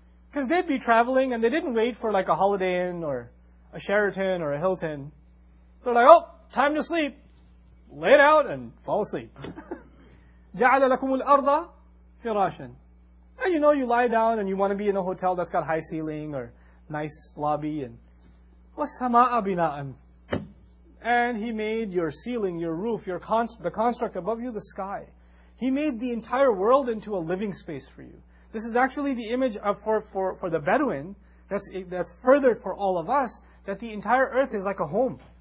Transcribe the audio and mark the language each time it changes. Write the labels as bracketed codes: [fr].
[en] Because they'd be traveling and they didn't wait for like a Holiday Inn or a Sheraton or a Hilton. They're like, oh, time to sleep. Lay it out and fall asleep. [ar] جَعَلَ لَكُمُ الْأَرْضَ فِرَاشًا. [en] And you know, you lie down and you want to be in a hotel that's got high ceiling or nice lobby. [ar] And وَالسَّمَاءَ بِنَاءً. [en] And he made your ceiling, your roof, your the construct above you, the sky. He made the entire world into a living space for you. This is actually the image of for the Bedouin that's furthered for all of us, that the entire earth is like a home.